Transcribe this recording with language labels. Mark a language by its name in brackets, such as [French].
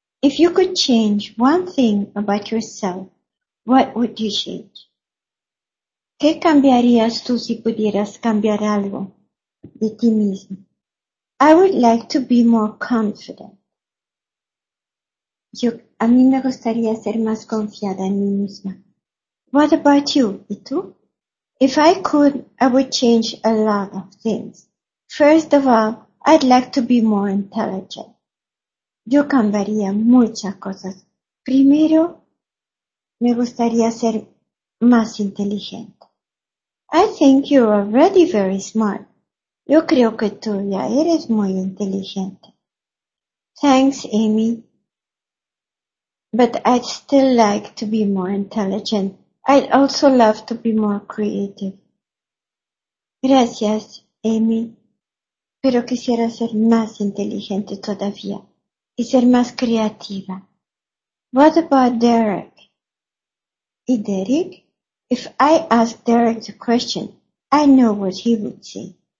[English] If you could change one thing about yourself, what would you change? [Spanish] ¿Qué cambiarías tú si pudieras cambiar algo de ti mismo? [English] I would like to be more confident. [Spanish] A mí me gustaría ser más confiada en mí misma. [English] What about you? [Spanish] ¿Y tú? [English] If I could, I would change a lot of things. First of all, I'd like to be more intelligent. [Spanish] Yo cambiaría muchas cosas. Primero, me gustaría ser más inteligente. [English] I think you're already very smart. [Spanish] Yo creo que tú ya eres muy inteligente. [English] Thanks, Amy. But I'd still like to be more intelligent. I'd also love to be more creative. [Spanish] Gracias, Amy. Pero quisiera ser más inteligente todavía y ser más creativa. [English] What about Derek? [Spanish] ¿Y Derek? [English] If I ask Derek the question, I know what he would say.